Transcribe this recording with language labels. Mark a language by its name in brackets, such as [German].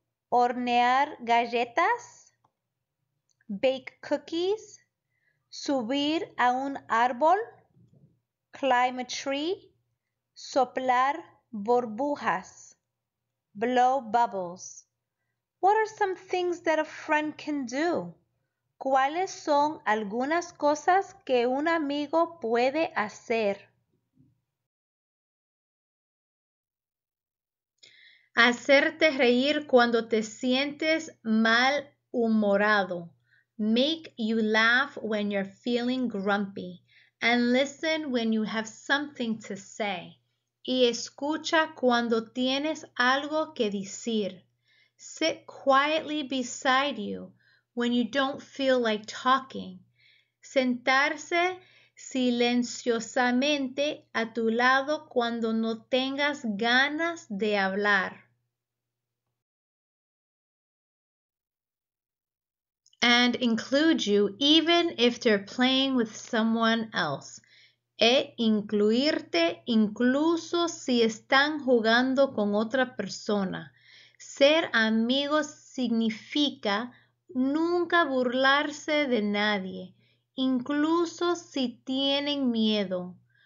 [Spanish] Hornear galletas? Bake cookies? Subir a un árbol? Climb a tree? Soplar burbujas? Blow bubbles. [English] What are some things that a friend can do? [Spanish] ¿Cuáles son algunas cosas que un amigo puede hacer? Hacerte reír cuando te sientes malhumorado. [English] Make you laugh when you're feeling grumpy. And listen when you have something to say. [Spanish] Y escucha cuando tienes algo que decir. [English] Sit quietly beside you when you don't feel like talking. [Spanish] Sentarse silenciosamente a tu lado cuando no tengas ganas de hablar. [English] And include you even if they're playing with someone else. [Spanish] E incluirte incluso si están jugando con otra persona. Ser amigos significa nunca burlarse de nadie, incluso si tienen miedo.